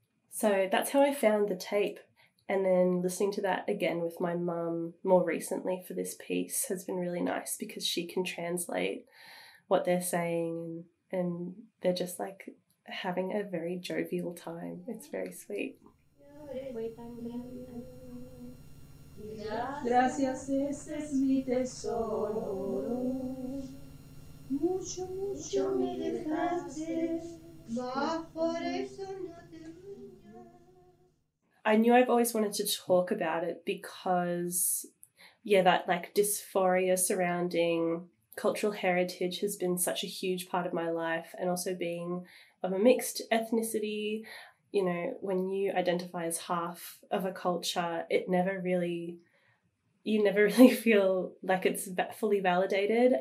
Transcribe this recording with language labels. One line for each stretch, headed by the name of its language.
English: So that's how I found the tape. And then listening to that again with my mum more recently for this piece has been really nice, because she can translate what they're saying, and they're just like having a very jovial time. It's very sweet.
Spanish: Gracias, ese es mi tesoro. Mucho, mucho me dejaste, más por eso no te.
English: I knew I've always wanted to talk about it because, yeah, that like dysphoria surrounding cultural heritage has been such a huge part of my life. And also being of a mixed ethnicity, you know, when you identify as half of a culture, it never really, you never really feel like it's fully validated.